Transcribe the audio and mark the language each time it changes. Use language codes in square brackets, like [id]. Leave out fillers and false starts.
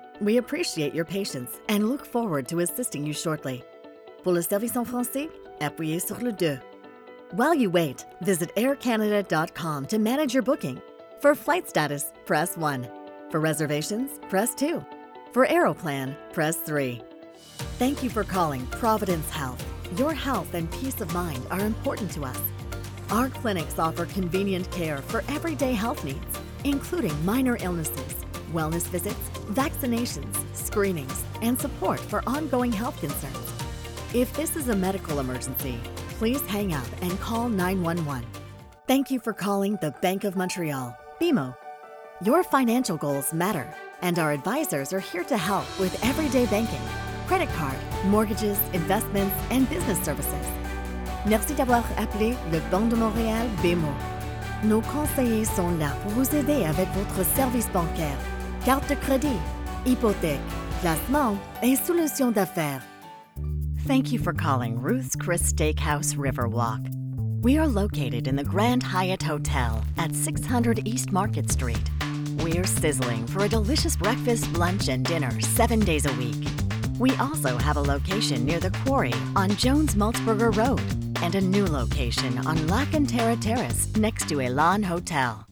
[en] We appreciate your patience and look forward to assisting you shortly. [fr] Pour le service en français, appuyez sur le 2. [en] While you wait, visit aircanada.com to manage your booking. For flight status, press 1. For reservations, press 2. For Aeroplan, press 3. Thank you for calling Providence Health. Your health and peace of mind are important to us. Our clinics offer convenient care for everyday health needs, including minor illnesses, wellness visits, vaccinations, screenings, and support for ongoing health concerns. If this is a medical emergency, please hang up and call 911. Thank you for calling the Bank of Montreal, BMO. Your financial goals matter, and our advisors are here to help with everyday banking, credit card, mortgages, investments, and business services. [fr] Merci d'avoir appelé le Banque de Montréal, BMO. Nos conseillers sont là pour vous aider avec votre service bancaire, carte de crédit, hypothèque, placement et solutions d'affaires. [en] Thank you for calling Ruth's Chris Steakhouse Riverwalk. We are located in the Grand Hyatt Hotel at 600 East Market Street. We're sizzling for a delicious breakfast, lunch, and dinner 7 days a week. We also have a location near the quarry on Jones Maltzberger Road and a new location on La Cantera Terrace next to Elan Hotel.